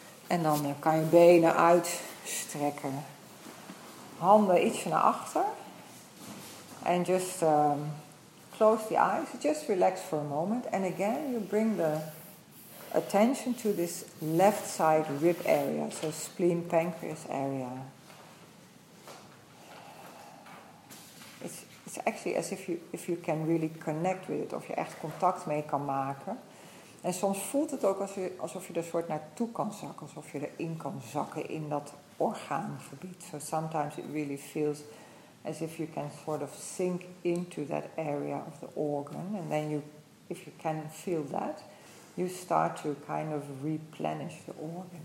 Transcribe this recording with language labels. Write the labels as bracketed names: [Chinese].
[Dutch] En dan kan je benen uitstrekken. Handen ietsje naar achter. [English] En just close the eyes. Just relax for a moment. And again, you bring the attention to this left side rib area. So spleen, pancreas area. It's actually as if you can really connect with it. [Dutch] Of je echt contact mee kan maken. En soms voelt het ook alsof je er soort naartoe kan zakken. Alsof je erin kan zakken in dat orgaangebied. [English] So sometimes it really feels as if you can sort of sink into that area of the organ. And then you, if you can feel that, you start to kind of replenish the organ.